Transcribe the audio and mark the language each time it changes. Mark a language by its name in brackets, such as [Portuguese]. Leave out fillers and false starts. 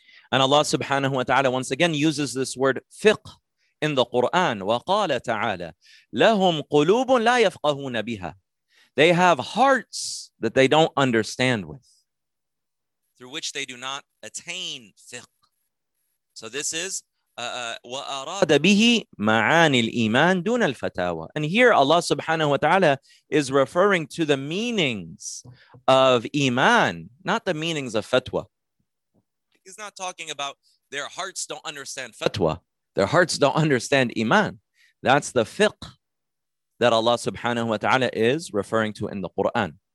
[English] And Allah subhanahu wa ta'ala once again uses this word fiqh in the Quran. [Arabic] وَقَالَ تَعَالَى لَهُمْ قُلُوبٌ لَا يَفْقَهُونَ بِهَا. [English] They have hearts that they don't understand with, through which they do not attain fiqh. So this is [Arabic] وَأَرَادَ بِهِ مَعَانِ الْإِيمَانِ دُونَ الْفَتَاوَى. [English] And here Allah subhanahu wa ta'ala is referring to the meanings of iman, not the meanings of fatwa. He's not talking about their hearts don't understand fatwa. Their hearts don't understand iman. That's the fiqh that Allah subhanahu wa ta'ala is referring to in the Quran.